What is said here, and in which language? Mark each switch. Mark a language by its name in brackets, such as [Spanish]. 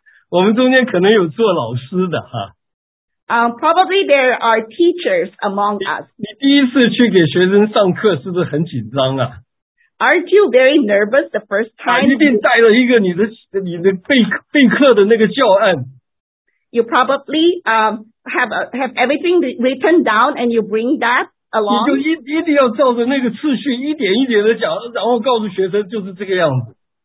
[Chinese] 我们中间可能有做老师的哈。 [English] Probably there are teachers among us. [Chinese] 你第一次去给学生上课是不是很紧张啊？ [English] Aren't you very nervous the first time? [Chinese] 你一定带了一个你的备课的那个教案。 [English] You probably have everything written down and you bring that along. [Chinese] 你就一定要照着那个次序一点一点的讲，然后告诉学生就是这个样子。